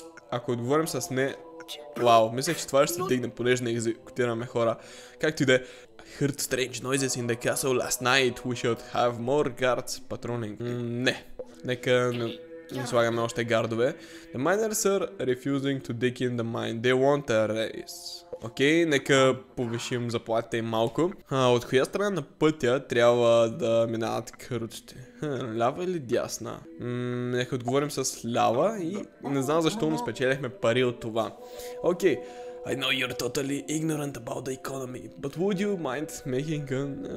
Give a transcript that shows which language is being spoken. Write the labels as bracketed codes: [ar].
[bg] Ако отговорим с не... Вау, мислех, че това ще се вдигне, понеже не екзекутираме хора. Както и да е. [en] Heard strange noises in the castle last night. We should have more guards patrolling. Не. [bg] Нека не слагаме още гардове. [en] The miners are refusing to dig in the mine. They want a raise. [bg] Окей, нека повишим заплатите им малко. От коя страна на пътя трябва да минават каручите? Лява или дясна? Нека отговорим с лява и не знам защо му спечелихме пари от това. Окей. [en] I know you're totally ignorant about the economy, but would you mind making an...